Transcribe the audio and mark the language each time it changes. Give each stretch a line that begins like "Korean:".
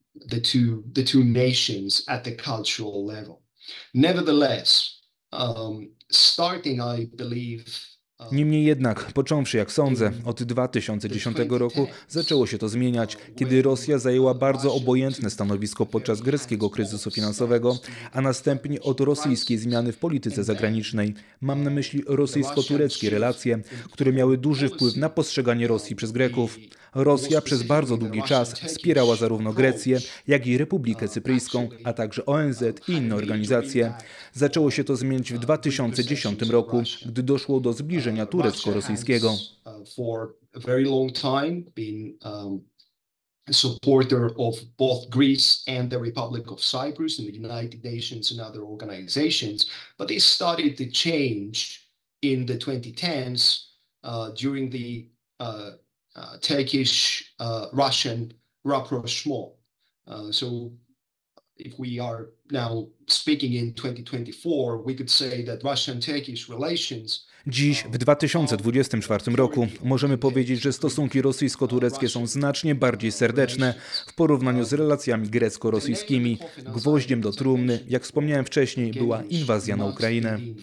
English: The two nations at the cultural level. Nevertheless, starting, I believe.
Polish: Niemniej jednak, począwszy, jak sądzę, od 2010 roku, zaczęło się to zmieniać, kiedy Rosja zajęła bardzo obojętne stanowisko podczas greckiego kryzysu finansowego, a następnie od rosyjskiej zmiany w polityce zagranicznej. Mam na myśli rosyjsko-tureckie relacje, które miały duży wpływ na postrzeganie Rosji przez Greków. Rosja przez bardzo długi czas wspierała zarówno Grecję, jak i Republikę Cypryjską, a także ONZ i inne organizacje. Zaczęło się to zmieniać w 2010 roku, gdy doszło do zbliżenia turecko-rosyjskiego.
English: For a very long time been a supporter of both Greece and the Republic of Cyprus and the United Nations and other organizations, but this started to change in the 2010s during the Turkish Russian rapprochement. So if we are now speaking in 2024, we could say that Russian-Turkish relations.
Polish: Dziś, w 2024 roku, możemy powiedzieć, że stosunki rosyjsko-tureckie są znacznie bardziej serdeczne w porównaniu z relacjami grecko-rosyjskimi. Gwoździem do trumny, jak wspomniałem wcześniej, była inwazja na Ukrainę.